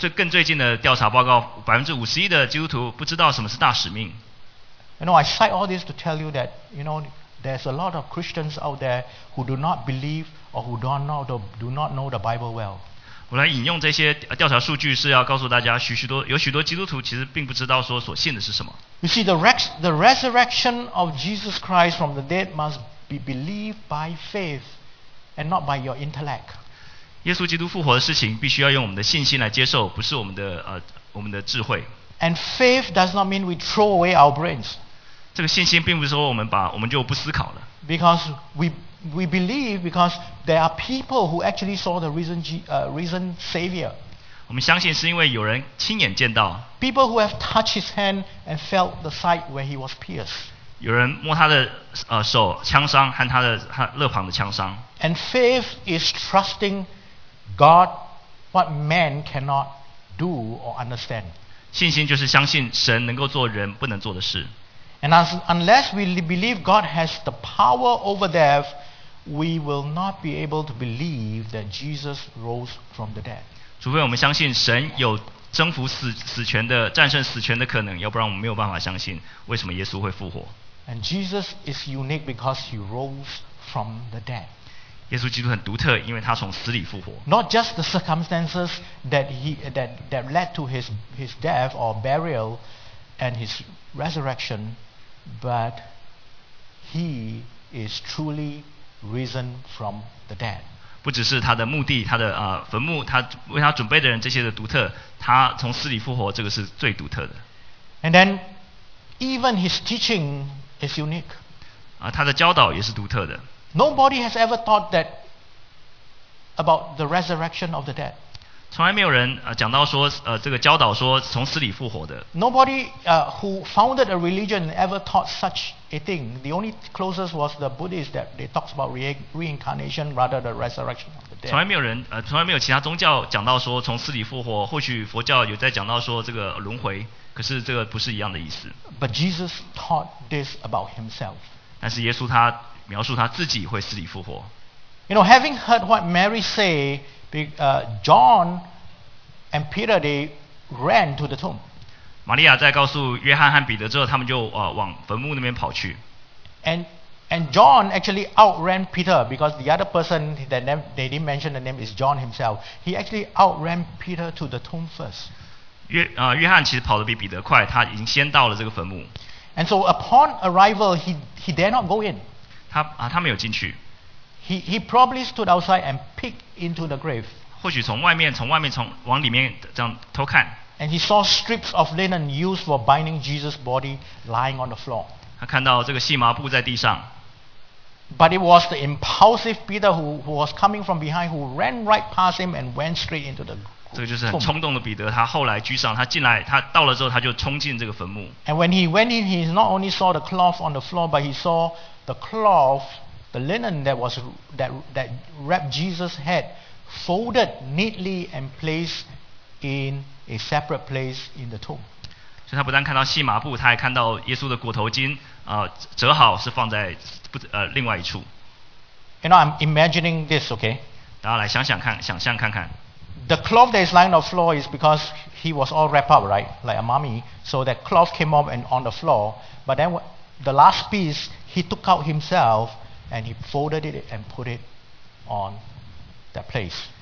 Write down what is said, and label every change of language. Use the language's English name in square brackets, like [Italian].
[Chinese] 最近的调查报告，51%的基督徒不知道什么是大使命。 [English] You know, I cite all this to tell you that you know there's a lot of Christians out there who do not believe or who do not know the Bible well. [Chinese] 我来引用这些调查数据，是要告诉大家，有许多基督徒其实并不知道说所信的是什么。 [English] You see, the resurrection of Jesus Christ from the dead must be believed by faith and not by your intellect. [Chinese] 耶稣基督复活的事情必须要用我们的信心来接受，不是我们的智慧。 [English] And faith does not mean we throw away our brains. [Chinese] 这个信心并不是说我们就不思考了。 [English] Because we believe because there are people who actually saw the risen Savior. [Chinese] 我们相信是因为有人亲眼见到。 [English] People who have touched his hand and felt the side where he was pierced. [Chinese] 有人摸他的手枪伤和他肋旁的枪伤。 [English] And faith is trusting God what man cannot do or understand. [Chinese] 信心就是相信神能够做人不能做的事。 [English] And unless we believe God has the power over death, we will not be able to believe that Jesus rose from the dead. [Chinese] 除非我们相信神有征服死权的战胜死权的可能，要不然我们没有办法相信为什么耶稣会复活。 [English] And Jesus is unique because he rose from the dead. [Chinese] 耶稣基督很独特，因为他从死里复活。 [English] Not just the circumstances that led to his death or burial and his resurrection, but he is truly risen from the dead. [Chinese] 不只是他的墓地，他的坟墓，他为他准备的人这些的独特，他从死里复活，这个是最独特的。 [English] And then, even his teaching is unique. [Chinese] 他的教导也是独特的。 [English] Nobody has ever thought that about the resurrection of the dead. [Chinese] 从来没有人讲到说这个教导说从死里复活的。 [English] Nobody who founded a religion ever taught such a thing. The only closest was the Buddhists that they talked about reincarnation rather than resurrection of the dead. [Chinese] 从来没有其他宗教讲到说从死里复活。或许佛教有在讲到说这个轮回，可是这个不是一样的意思。 [English] But Jesus taught this about himself. [Chinese] 但是耶稣他描述他自己会死里复活。 [English] You know, having heard what Mary say, John and Peter they ran to the tomb. [Chinese] 玛利亚在告诉约翰和彼得之后，他们就往坟墓那边跑去。 [English] And John actually outran Peter because the other person that they didn't mention the name is John himself. He actually outran Peter to the tomb first. [Chinese] 约翰其实跑得比彼得快，他已经先到了这个坟墓。 [English] And so upon arrival, he dare not go in. [Chinese] 他没有进去。 [English] He probably stood outside and peeked into the grave. [Chinese] 或许从外面从往里面这样偷看。 [English] And he saw strips of linen used for binding Jesus' body lying on the floor. [Chinese] 他看到这个细麻布在地上。 [English] But it was the impulsive Peter who was coming from behind who ran right past him and went straight into the [Chinese] 这个就是很冲动的彼得，他后来沮丧，他进来，他到了之后，他就冲进这个坟墓。 [English] And when he went in, he not only saw the cloth on the floor, but he saw the cloth, the linen that was that wrapped Jesus' head, folded neatly and placed in a separate place in the tomb. [Chinese] 所以他不但看到细麻布，他还看到耶稣的裹头巾，折好是放在另外一处。 [English] You know, I'm imagining this, okay? [Chinese] 大家来想想看，想象看看。 [English] The cloth that is lying on the floor is because he was all wrapped up, right? Like a mummy. So that cloth came up and on the floor. But then the last piece, he took out himself and he folded it and put it on that place.